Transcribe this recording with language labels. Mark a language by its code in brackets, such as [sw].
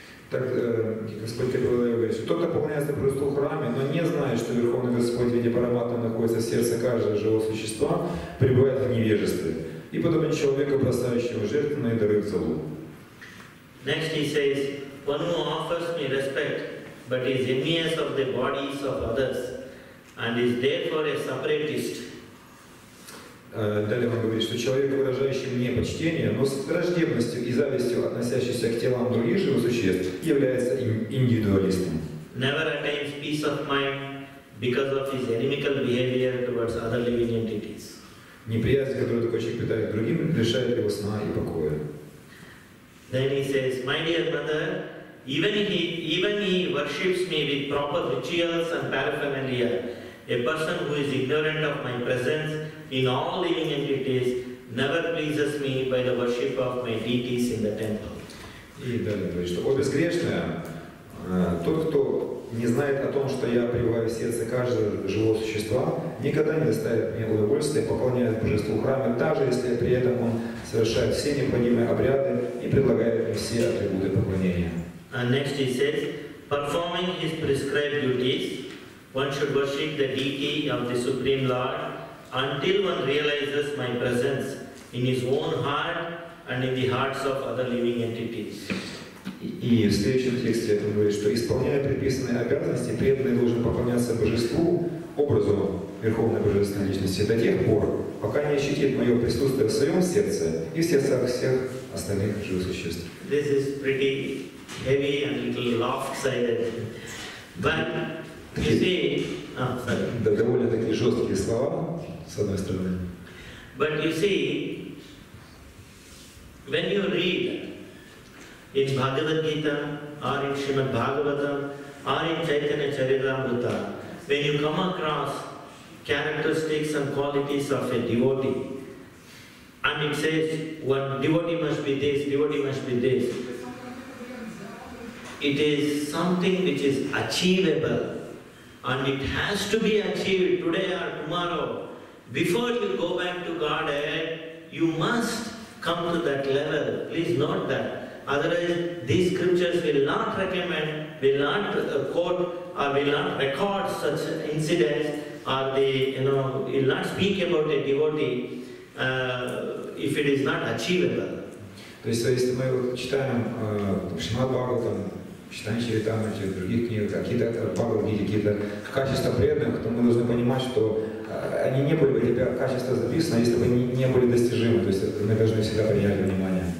[ru] Так, Господь Кирилл говорит, что кто-то поклоняется Божеству в храме, но не знает, что Верховный Господь в виде Параматмы находится в сердце каждого живого существа, пребывает в невежестве. И подобен человеку, бросающему жертвенные дары в золу. [en] Next he says, one who offers me respect, but is envious of the bodies of others, and is therefore a separatist. [ru] Далее он говорит, что человек, выражающий мне почтение, но с враждебностью и завистью, относящийся к телам других живых существ, является индивидуалистом. [en] Never attains peace of mind because of his inimical behavior towards other living entities. [ru] Неприязнь, которую такой человек питает к другим, лишает его сна и покоя. [en] Then he says, my dear brother, even he worships me with proper rituals and paraphernalia. A person who is ignorant of my presence in all living entities never pleases me by the worship of my deities in the temple. [ru] И далее говорит, что о безгрешное, тот, кто не знает о том, что я пребываю в сердце каждого живого существа, никогда не доставит мне удовольствия, поклоняет божеству храма, даже если при этом он совершает все необходимые обряды и предлагает мне все атрибуты поклонения. [en] And next he says, performing his prescribed duties, one should worship the deity of the Supreme Lord until one realizes my presence in his own heart and in the hearts of other living entities. [ru] И в следующем тексте это говорит, что исполняя предписанные обязанности, преданный должен поклоняться Божеству, образу Верховной Божественной Личности, до тех пор, пока не ощутит мое присутствие в своем сердце и в сердцах всех остальных живых существ. [en] This is pretty heavy and little lopsided. But you see, [ru] да, довольно такие жесткие слова, с одной стороны. [en] But you see, when you read in Bhagavad Gita, or in Srimad Bhagavatam, or in Chaitanya Charitamrita, when you come across characteristics and qualities of a devotee, and it says, one devotee must be this, devotee must be this, it is something which is achievable, and it has to be achieved today or tomorrow. Before you go back to Godhead, you must come to that level, please note that. Otherwise, these scriptures will not recommend, will not quote, or will not record such incidents, or the, you know, will not speak about a devotee if it is not achievable. [ru] То есть, если мы читаем Шримад Бхагаватам, читаем Чаритамриту, других книг, какие-то Бхагавадгиты, какие-то качества преданных, то мы должны понимать, что они не были бы, эти качества записаны, если бы они не были достижимы. То есть мы должны всегда принять внимание.